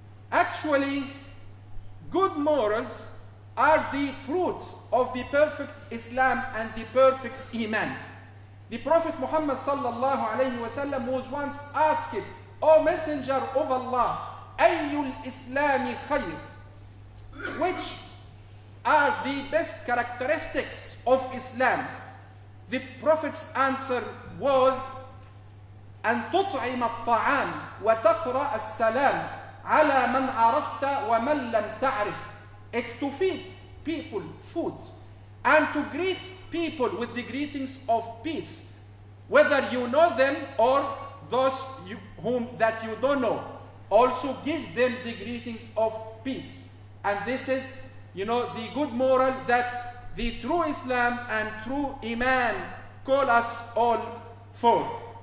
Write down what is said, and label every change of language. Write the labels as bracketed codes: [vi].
[en] Actually, good morals are the fruit of the perfect Islam and the perfect Iman. The Prophet Muhammad sallallahu alayhi wa sallam was once asked, O Messenger of Allah, [ar] Ayyul Islami Khayr, [en] which are the best characteristics of Islam? [ar] The Prophet's answer was, أن تطعم الطعام وتقرأ السلام على من عرفت ومن لم تعرف. [en] It's to feed people food and to greet people with the greetings of peace, whether you know them or those you, whom that you don't know. Also give them the greetings of peace. And this is, you know, the good moral that the true Islam and true Iman call us all for.